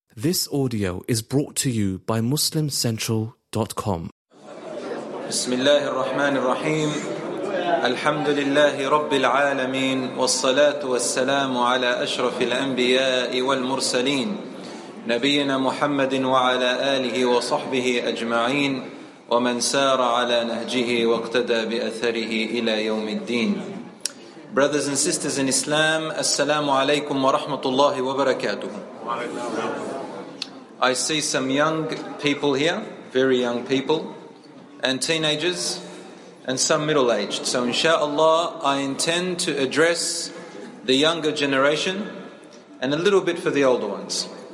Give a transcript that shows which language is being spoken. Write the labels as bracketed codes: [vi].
[en] This audio is brought to you by MuslimCentral.com. [ar] بسم الله الرحمن الرحيم الحمد لله رب العالمين والصلاة والسلام على أشرف الأنبياء والمرسلين نبينا محمد وعلى آله وصحبه أجمعين ومن سار على نهجه واقتدى بأثره إلى يوم الدين. [en] Brothers and sisters in Islam, [ar] السلام عليكم ورحمة الله وبركاته. [en] I see some young people here, very young people, and teenagers, and some middle-aged. So inshallah, I intend to address the younger generation and a little bit for the older ones.